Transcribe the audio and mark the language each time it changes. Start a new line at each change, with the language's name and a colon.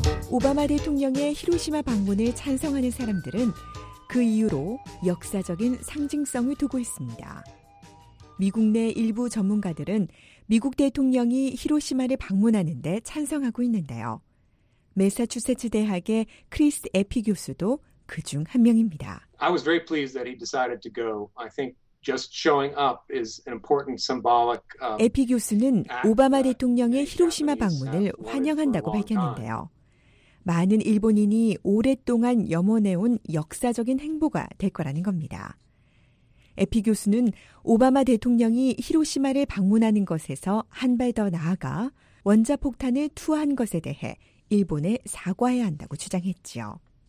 Korean: 오바마 대통령의 히로시마 방문을 찬성하는 사람들은 그 이후로 역사적인 상징성을 두고 있습니다. 미국 내 일부 전문가들은 미국 대통령이 히로시마를 방문하는 데 찬성하고 있는데요. 매사추세츠 대학의 크리스 에피 교수도 그 중 한 명입니다.
English: I was very pleased that he decided to go. I think just showing up is an important symbolic.
Korean: 에피 교수는 오바마 대통령의 히로시마 방문을 환영한다고 밝혔는데요. 많은 일본인이 오랫동안 염원해온 역사적인 행보가 될 거라는 겁니다. 에피 교수는 오바마 대통령이 히로시마를 방문하는 것에서 한 발 더 나아가 원자폭탄을 투하한 것에 대해 일본에 사과해야 한다고 주장했지요.